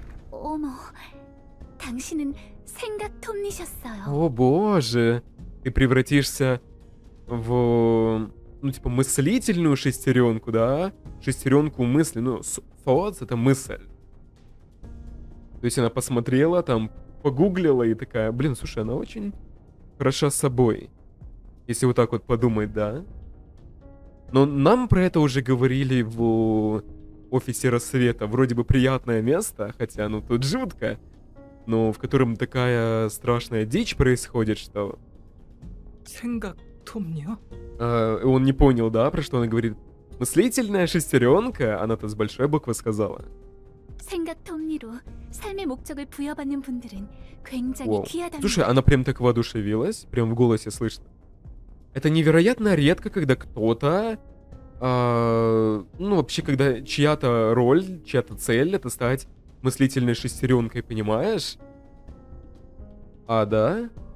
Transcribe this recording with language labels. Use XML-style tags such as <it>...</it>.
<ko>Омо, 당신은 생각 톱니셨어요.</ko> <ru>О боже. Ты превратишься в, ну, типа, мыслительную шестеренку, да? Шестеренку мысли. Ну, thoughts — это мысль. То есть она посмотрела, там, погуглила и такая, блин, слушай, она очень хороша собой. Если вот так вот подумать, да? Но нам про это уже говорили в офисе рассвета. Вроде бы приятное место, хотя, ну, тут жутко. Но в котором такая страшная дичь происходит, что...</ru> <ko>생각 톱니요?</ko> <ru>Он не понял, да, про что она говорит? Мыслительная шестеренка, она-то с большой буквы сказала.</ru> <ko>생각 톱니로 삶의 목적을 부여받는 분들은 굉장히 귀하다.</ko> <ru>Слушай, она прям так воодушевилась, прям в голосе слышно. Это невероятно редко, когда кто-то, ну вообще, когда чья-то роль, чья-то цель — это стать мыслительной шестеренкой, понимаешь? А, да?</ru>